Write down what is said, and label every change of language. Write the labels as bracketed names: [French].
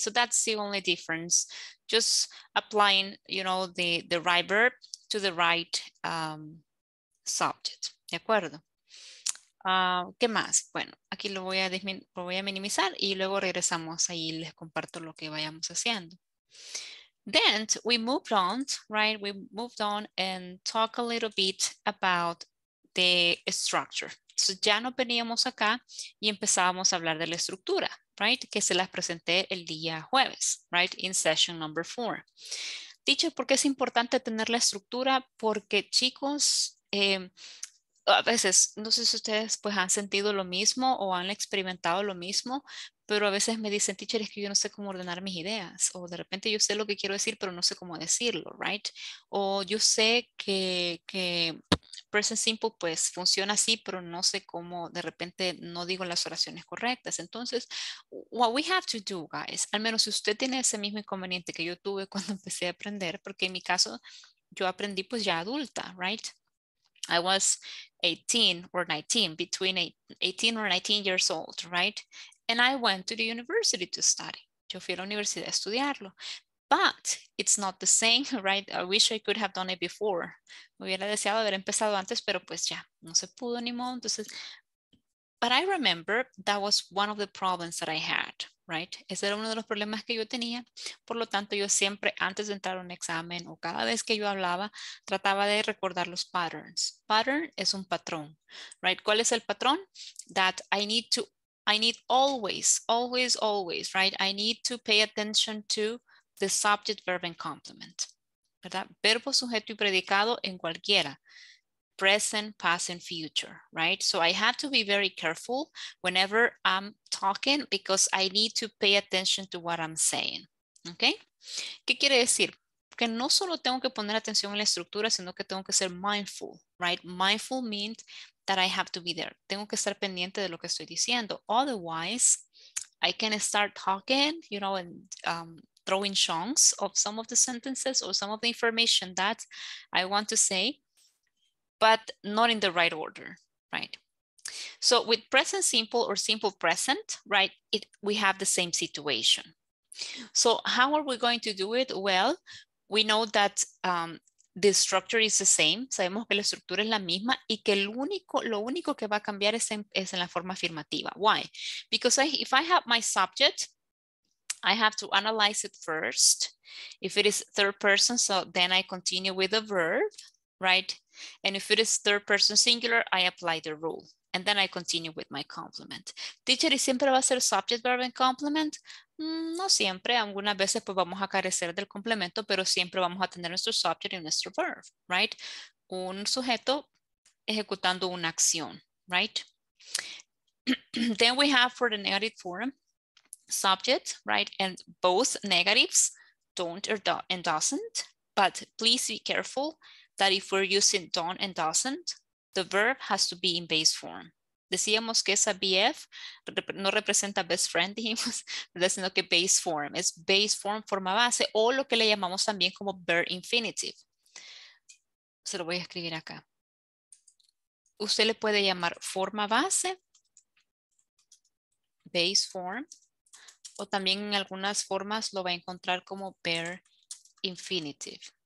[English] So that's the only difference. Just applying, you know, the right verb to the right subject, [Spanish] ¿de acuerdo? ¿Qué más? Bueno, aquí lo voy a minimizar y luego regresamos ahí y les comparto lo que vayamos haciendo. [English] Then we moved on, right? We moved on and talk a little bit about the structure. [Spanish] So ya nos veníamos acá y empezábamos a hablar de la estructura, right? Que se las presenté el día jueves, right? [English] In session number 4. [Spanish] Dicho, ¿por qué es importante tener la estructura? Porque, chicos, a veces, no sé si ustedes pues han sentido lo mismo o han experimentado lo mismo, pero a veces me dicen, teacher, es que yo no sé cómo ordenar mis ideas, o de repente yo sé lo que quiero decir, pero no sé cómo decirlo, right? O yo sé que present simple pues funciona así, pero no sé cómo, de repente no digo las oraciones correctas. Entonces, [English] what we have to do, guys, [Spanish] al menos si usted tiene ese mismo inconveniente que yo tuve cuando empecé a aprender, porque en mi caso yo aprendí pues ya adulta, right? [English] I was 18 or 19, between 18 or 19 years old, right? And I went to the university to study. [Spanish] Yo fui a la universidad a estudiarlo. [English] But it's not the same, right? I wish I could have done it before. [Spanish] Me hubiera deseado haber empezado antes, pero pues ya, no se pudo ni modo. [English] Entonces, but I remember that was one of the problems that I had, right? [Spanish] Ese era uno de los problemas que yo tenía. Por lo tanto, yo siempre, antes de entrar a un examen o cada vez que yo hablaba, trataba de recordar los patterns. Pattern es un patrón, right? ¿Cuál es el patrón? [English] That I need always, [Spanish] right? [English] I need to pay attention to the subject, verb, and complement, ¿verdad? [Spanish] Verbo, sujeto, y predicado en cualquiera. [English] Present, past, and future, [Spanish] right? [English] So I have to be very careful whenever I'm talking because I need to pay attention to what I'm saying, okay? [Spanish] ¿Qué quiere decir? Que no solo tengo que poner atención en la estructura, sino que tengo que ser mindful, right? [English] Mindful means that I have to be there. [Spanish] Tengo que estar pendiente de lo que estoy diciendo. [English] Otherwise, I can start talking, you know, and throwing chunks of some of the sentences or some of the information that I want to say, but not in the right order, right? So with present simple or simple present, right, we have the same situation. So how are we going to do it? Well, we know that the structure is the same. [Spanish] Sabemos que la estructura es la misma y que lo único que va a cambiar es en la forma afirmativa. [English] Why? Because if I have my subject, I have to analyze it first. If it is third person, so then I continue with the verb, right? And if it is third person singular, I apply the rule. And then I continue with my complement. Teacher, [Spanish] ¿y siempre va a ser [English] subject, verb, and complement? [Spanish] No siempre. Algunas veces pues vamos a carecer del complemento, pero siempre vamos a tener nuestro subject y nuestro verb, right? un sujeto ejecutando una acción, right? [English] Then we have for the negative form, subject, right? And both negatives, don't or and doesn't. But please be careful that if we're using don't and doesn't, the verb has to be in base form. [Spanish] Decíamos que esa BF no representa best friend, dijimos, ¿verdad? Sino que base form, es base form, forma base, o lo que le llamamos también como verb infinitive. Se lo voy a escribir acá. Usted le puede llamar forma base, base form, o también en algunas formas lo va a encontrar como verb infinitive.